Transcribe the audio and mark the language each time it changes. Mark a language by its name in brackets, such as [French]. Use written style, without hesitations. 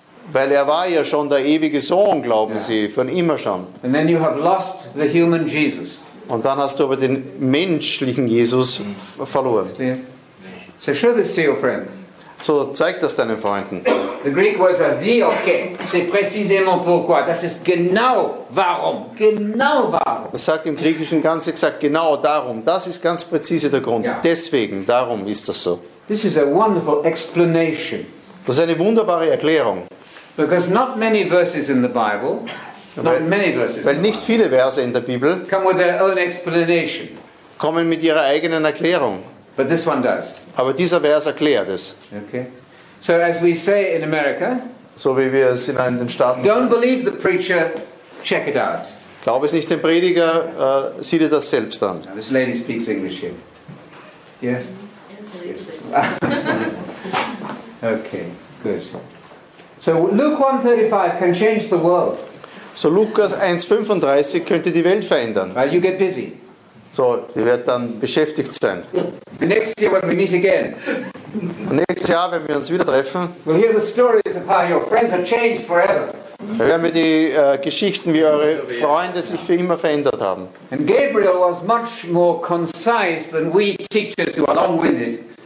[German] Weil er war ja schon der ewige Sohn, glauben Sie, von immer schon. [English] And then you have lost the human Jesus. [German] Und dann hast du aber den menschlichen Jesus verloren. [English] So show this to your friends. [German] So zeig das deinen Freunden. [English] The Greek was a dioke. [French] C'est précisément pourquoi. [German] Das ist genau warum. Genau warum. Das sagt im Griechischen ganz exakt genau darum. Das ist ganz präzise der Grund. Yeah. Deswegen, darum ist das so. [English] This is a wonderful explanation. [German] Das ist eine wunderbare Erklärung. [English] Because not many verses in the Bible. Not many verses. [German] Weil nicht viele Verse in der Bibel. [English] Come with their own explanation. [German] Kommen mit ihrer eigenen Erklärung. [English] But this one does. [German] Aber dieser Vers erklärt es. [English] Okay. So as we say in America. [German] So wie wir es in den Staaten. [English] Don't believe the preacher. Check it out. [German] Glaube es nicht dem Prediger. Sieh dir das selbst an. [English] Now this lady speaks English here. Yes. Okay. Good. So Luke 1:35 can change the world. [German] So Lukas 1:35 könnte die Welt verändern. [English] Well, you get busy. [German] So, ihr werdet dann beschäftigt sein. [English] The next year when we meet again. [German] Nächstes Jahr, wenn wir uns wieder treffen, [English] we'll hear the stories of how your friends are changed forever. [German] Wir hören die Geschichten, wie eure Freunde sich für immer verändert haben. [English] And Gabriel was much more concise than we teachers who are long-winded.